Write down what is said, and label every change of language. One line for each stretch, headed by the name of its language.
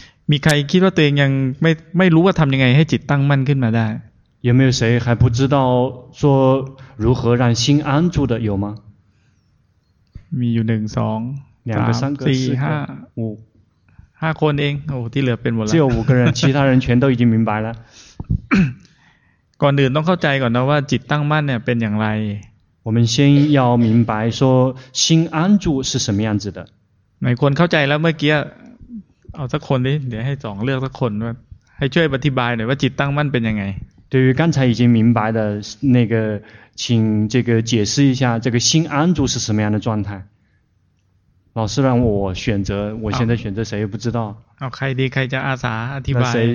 Thai: มีใครคิดว่าตัวเองยังไม่รู้ว่าทำยังไงให้จิตตั้งมั่นขึ้นมาได้
Chinese: 有没有谁还不知道说如何让心安住的有吗
Thai: มีอยู่หนึ่งสองสามสี่ห้า หก ห้าคนเองโอ้ที่เหลือเป็นหมดแล้ว
Chinese: 只有五个人其他人全都已经明白了
Thai: ก่อนอื่นต้องเข้าใจก่อนนะว่าจิตตั้งมั่นเนี่ยเป็นอย่างไร
Chinese: 我们先要明白说心安住是什么样子的每个人
Thai: เข้าใจแล้วเมื่อกี้เอาสักคนดิเดี๋ยวให้สองเลือกสักคนว่าให้ช่วยอธิบายหน่อยว่าจิตตั้งมั่นเป็นยังไง
Chinese: 对于刚才已经明白的那个请这个解释一下这个心安住是什么样的状态老师让我选择我现在选择谁不知道
Thai: เอาใครดีใครจะอาสาอธิบาย